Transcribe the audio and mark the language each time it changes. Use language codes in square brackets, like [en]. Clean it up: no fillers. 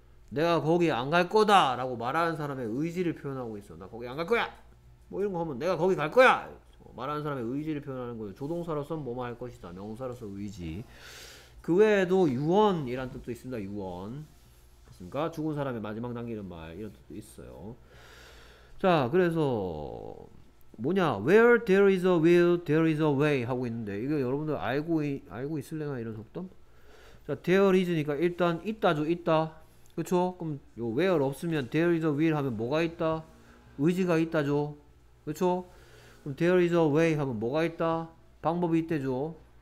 [ko] 내가 거기 안갈 거다라고 말하는 사람의 의지를 표현하고 있어. 나 거기 안갈 거야. 뭐 이런 거 하면 내가 거기 갈 거야. 말하는 사람의 의지를 표현하는 거죠. 조동사로서는 뭐뭐 할 것이다. 명사로서 의지. 그 외에도 유언이란 뜻도 있습니다. 유언. 맞습니까? 죽은 사람의 마지막 남기는 말. 이런 뜻도 있어요. 자, 그래서 뭐냐. [en] Where there is a will, there is a way. [ko] 하고 있는데. 이거 여러분들 알고 있을래나? 이런 속담? 자, there is니까 일단 있다죠. 있다. 그쵸? 그럼 요 where 없으면 [en] there is a will [ko] 하면 뭐가 있다? 의지가 있다죠. 그쵸? [en] There is a way [ko] 하면 뭐가 있다? 방법이 있대죠.